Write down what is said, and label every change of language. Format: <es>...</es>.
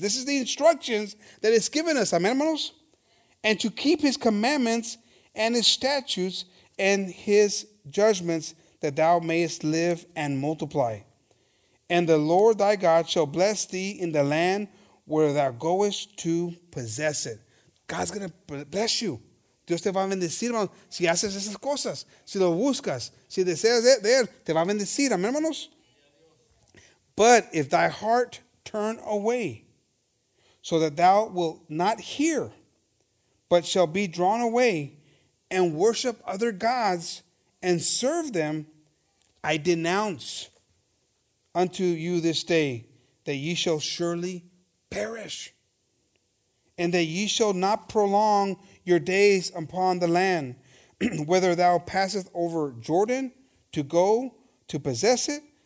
<en>This is the instructions that it's given us. Amen, hermanos? And to keep his commandments and his statutes and his judgments, that thou mayest live and multiply. And the Lord thy God shall bless thee in the land where thou goest to possess it. God's going to bless you.</en> <es>Dios te va a bendecir, hermanos, si haces esas cosas, si lo buscas, si deseas de él, te va a bendecir, amén, hermanos.</es> <en>But if thy heart turn away, so that thou wilt not hear, but shall be drawn away, and worship other gods, and serve them, I denounce unto you this day, that ye shall surely perish, and that ye shall not prolong your days upon the land, whether thou passest over Jordan to go to possess it.</en>